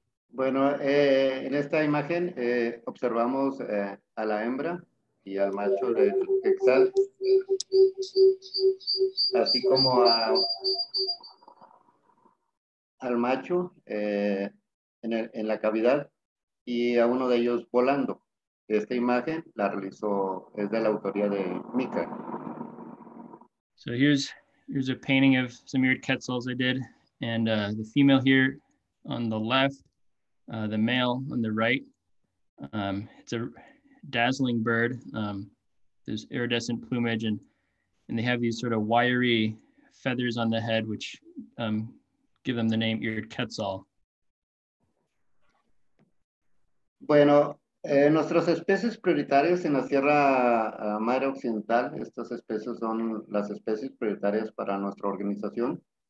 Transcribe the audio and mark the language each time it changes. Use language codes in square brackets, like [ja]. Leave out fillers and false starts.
[es] Bueno, en esta imagen observamos a la hembra y al macho del quetzal, así como al macho en la cavidad y a uno de ellos volando. Esta imagen la realizó, es de la autoría de Micah. [en] So here's a painting of some eared quetzals I did, and the female here on the left, the male on the right. It's a dazzling bird. There's iridescent plumage, and they have these sort of wiry feathers on the head, which give them the name eared quetzal. [es] Bueno. Nuestras especies prioritarias en la Sierra Madre Occidental, estas especies son las especies prioritarias para nuestra organización.